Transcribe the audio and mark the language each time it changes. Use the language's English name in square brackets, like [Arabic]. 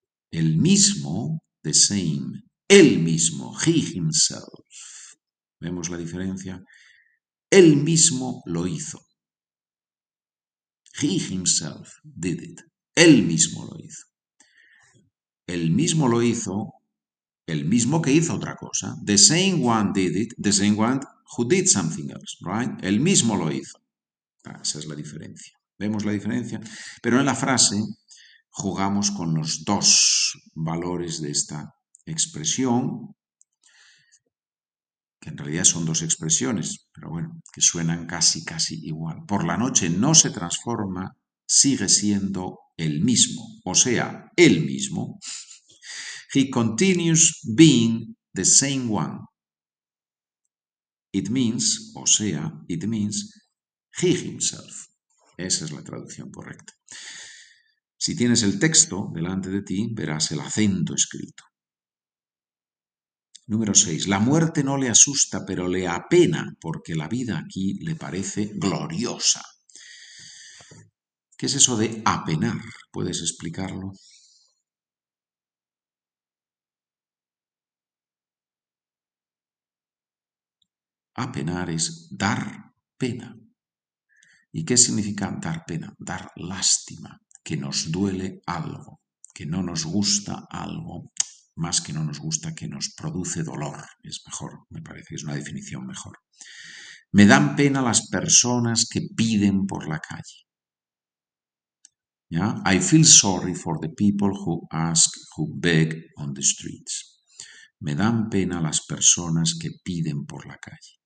[Spanish] El mismo, [English] the same, [Spanish] el mismo, [English] he himself. [Spanish] ¿Vemos la diferencia? Él mismo lo hizo. [English] He himself did it. [Spanish] Él mismo lo hizo. El mismo lo hizo, el mismo que hizo otra cosa. [English] The same one did it, the same one who did something else, right? [Spanish] El mismo lo hizo. Ah, esa es la diferencia. ¿Vemos la diferencia? Pero en la frase jugamos con los dos valores de esta expresión, que en realidad son dos expresiones, pero bueno, que suenan casi, casi igual. Por la noche no se transforma, sigue siendo el mismo, o sea, el mismo. [English] He continues being the same one. It means, o sea, it means he himself. [Spanish] Esa es la traducción correcta. Si tienes el texto delante de ti, verás el acento escrito. Número 6. La muerte no le asusta, pero le apena, porque la vida aquí le parece gloriosa. ¿Qué es eso de apenar? ¿Puedes explicarlo? Apenar es dar pena. ¿Y qué significa dar pena? Dar lástima, que nos duele algo, que no nos gusta algo, más que no nos gusta, que nos produce dolor. Es mejor, me parece, es una definición mejor. Me dan pena las personas que piden por la calle. [English] Yeah? I feel sorry for the people who ask, who beg on the streets. [Spanish] Me dan pena las personas que piden por la calle.